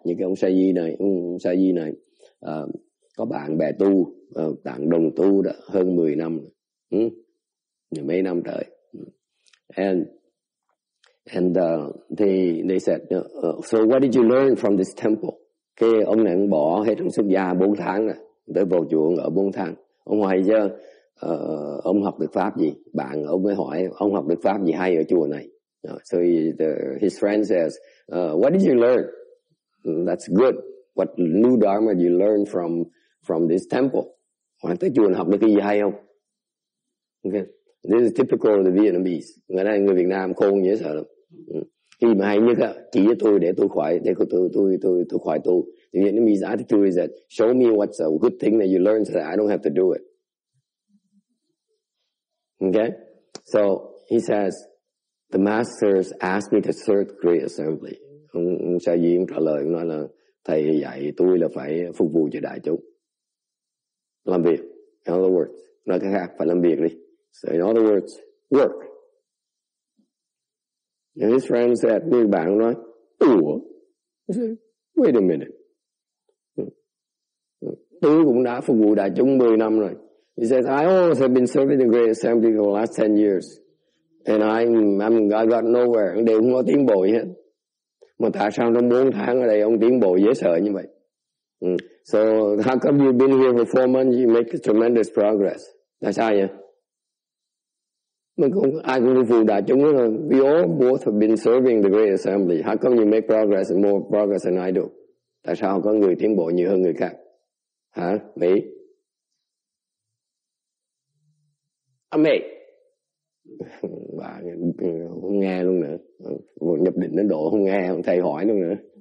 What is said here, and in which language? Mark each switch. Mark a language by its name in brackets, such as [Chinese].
[Vietnamese] Như cái ông Sayi này, có bạn bè tu, bạn đồng tu đã hơn 10 năm, mấy năm trời. [English] And they said, so what did you learn from this temple? [Vietnamese] Cái ông này ông bỏ hết trong xuất gia 4 tháng rồi, tới vào chùa ở 4 tháng. Ông hỏi chứ, ông học được pháp gì? Bạn ông mới hỏi, ông học được pháp gì hay ở chùa này? [English] So his friend says, what did you learn? That's good. What new dharma did you learn from this temple? [Vietnamese] Hỏi tới chùa học được cái gì hay không? Okay. [English] This is typical of the Vietnamese. [Vietnamese] Người này người Việt Nam khôn dễ sợ lắm. Khi mà hay nhất á, chỉ với tôi để tôi khỏi, để tôi khỏi tu. [English] The Vietnamese attitude is that, show me what's a good thing that you learned so that I don't have to do it. Okay? So he says, the masters asked me to serve great assembly. [Vietnamese] Ông Sa Di trả lời, ông nói là thầy dạy tôi là phải phục vụ cho đại chúng. Làm việc. [English] In other words, [Vietnamese] nói cái khác, phải làm việc đi. [English] So in other words, work. And his friend said, [Vietnamese] người bạn nói, ủa? [English] I said, wait a minute. [Vietnamese] Tôi cũng đã phục vụ đại chúng 10 năm rồi. [English] He says, I always have been serving the great assembly for the last 10 years. And I got nowhere. [Vietnamese] Ông đều không có tiến bộ hết. Mà tại sao trong 4 tháng ở đây ông tiến bộ dễ sợ như vậy? [English] So how come you've been here for 4 months, you make a tremendous progress? [Vietnamese] Tại sao vậy? Mình cũng, ai cũng phụ đại chúng là [English] we all both have been serving the great assembly. How come you make progress and more progress than I do? [Vietnamese] Tại sao có người tiến bộ nhiều hơn người khác? [English] Hả? Me? I'm me. [Vietnamese] Bà không nghe luôn nữa. Một nhập định đến độ không nghe, không thầy hỏi luôn nữa.